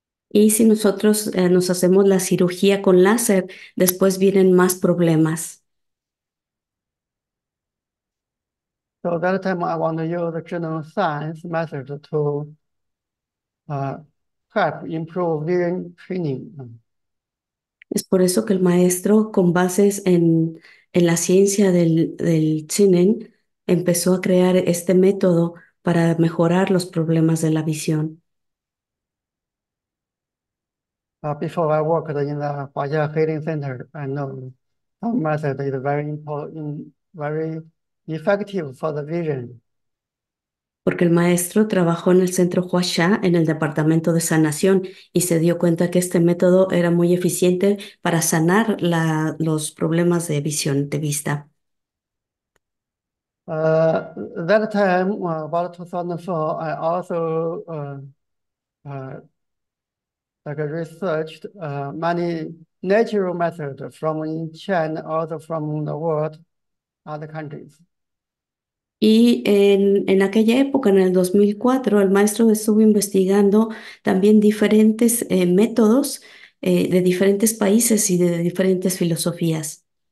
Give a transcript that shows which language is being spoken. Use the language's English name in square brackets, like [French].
[Spanish] Y si nosotros nos hacemos la cirugía con láser, después vienen más problemas. [English] So that time I want to use the general science method to help improve vision training. [Spanish] Es por eso que el maestro, con bases en la ciencia del Zinnen, empezó a crear este método para mejorar los problemas de la visión. [English] Before I worked in the Huajia Healing Center, I know some method is very important, very effective for the vision. [Spanish] Porque el maestro trabajó en el centro Huaxia, en el departamento de sanación, y se dio cuenta que este método era muy eficiente para sanar los problemas de visión de vista. [English] That time, about 2004, I also researched many natural methods from in China, also from the world, other countries. [Spanish] Y en aquella época, en el 2004, el maestro estuvo investigando también diferentes métodos de diferentes países y de diferentes filosofías.